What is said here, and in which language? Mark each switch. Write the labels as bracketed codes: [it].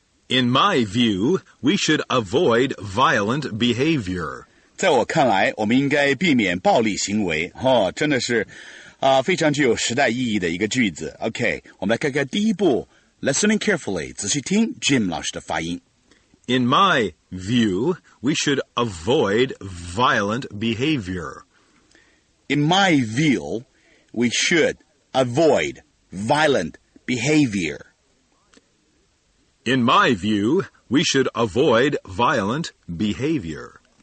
[en] In my view, we should avoid violent behavior. [zh] 在我看来，我们应该避免暴力行为。哦，真的是，啊，非常具有时代意义的一个句子。 OK， 我们来看看第一步。 [en] Listening carefully， [zh] 仔细听 Jim 老师的发音。 [en] In my view, we should avoid violent behavior. In my view, we should avoid violent behavior. In my view, we should avoid violent behavior.